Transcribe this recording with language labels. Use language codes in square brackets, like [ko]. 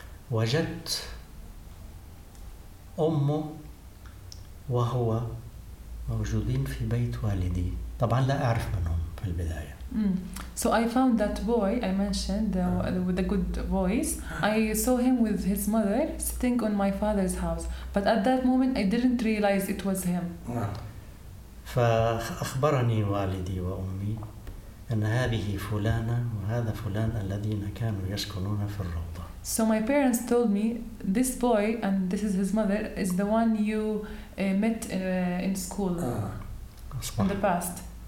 [ar] وجدت امه وهو موجودين في بيت والدي. طبعا لا اعرف منهم في البدايه. [en] So I found that boy I mentioned with a good voice. I saw him with his mother sitting on my father's house. But at that moment I didn't realize it was him. [ar] فأخبرني والدي وأمي أن هذه فلانة وهذا فلان الذين كانوا يسكنون في الروضة. [en] So my parents told me this boy and this is his mother is the one you met in school in the past.